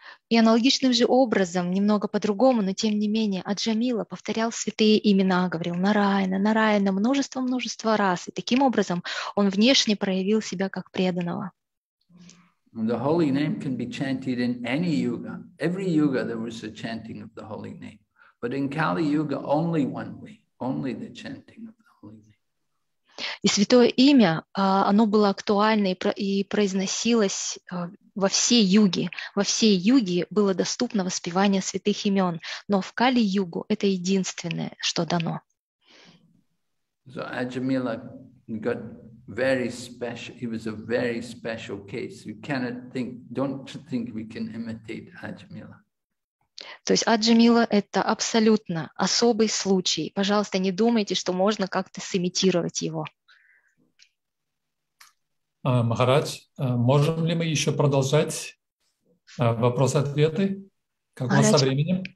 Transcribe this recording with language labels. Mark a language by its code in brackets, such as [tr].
[ru] И аналогичным же образом, немного по-другому, но тем не менее, Аджамила повторял святые имена, говорил Нараяна, множество раз. И таким образом он внешне проявил себя как преданного. [en] The holy name can be chanted in any yuga. Every yuga there was a chanting of the holy name. But in Kali Yuga only one way, only the chanting of the holy name. [ru] И святое имя, оно было актуально и произносилось во всей юге. Во всей юге было доступно воспевание святых имен. Но в Кали Югу это единственное, что дано. [en] So Ajamila got very special. He was a very special case. You cannot think, don't think we can imitate Ajamila. [ru] То есть Аджамила — это абсолютно особый случай. Пожалуйста, не думайте, что можно как-то сымитировать его. Махарадж, можем ли мы еще продолжать вопрос-ответы? Как у нас со временем?